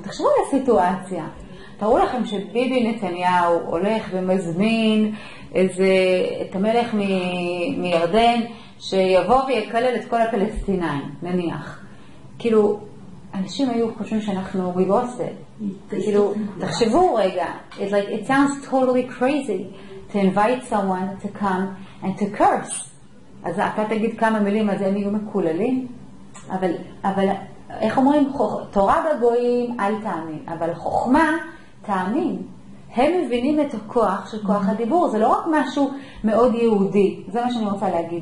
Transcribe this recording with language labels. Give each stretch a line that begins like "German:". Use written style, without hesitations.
Hebrew: תחשבו על הסיטואציה. תראו לכם שביבי נתניהו הולך ומזמין את המלך מירדן שיבוא ויקלל את כל הפלסטינאים, נניח. כאילו, אנשים היו חושבים שאנחנו ריבוסת. כאילו, תחשבו רגע,
English: it's like, it sounds totally crazy to invite someone to come and to curse.
Hebrew: אז אתה תגיד כמה מילים, אז הם יהיו מקוללים. אבל איך אומרים, תורה בגויים אל תאמין, אבל חוכמה תאמין. הם מבינים את הכוח של כוח הדיבור, זה לא רק משהו מאוד יהודי, זה מה שאני רוצה להגיד.